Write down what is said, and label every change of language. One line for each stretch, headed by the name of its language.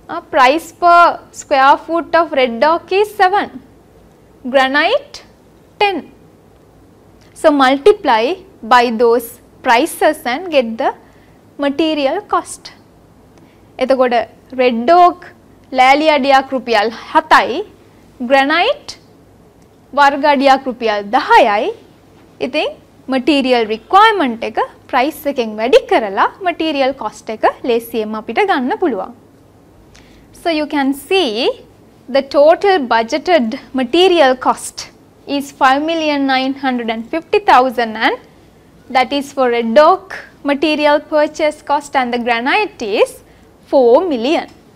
English: Price per square foot of red oak is 7. Granite 10. So multiply by those prices and get the material cost.
Sinhala: එතකොට red oak ලෑලි අඩියක් රුපියල් 7යි, granite වර්ග අඩියක් රුපියල් 10යි. ඉතින් material requirement එක price එකෙන් වැඩි කරලා material cost එක ලේසියෙන් අපිට ගන්න පුළුවන්.
English: So you can see the total budgeted material cost is 5,950,000, and that is for red oak material purchase cost, and the granite is 4 million.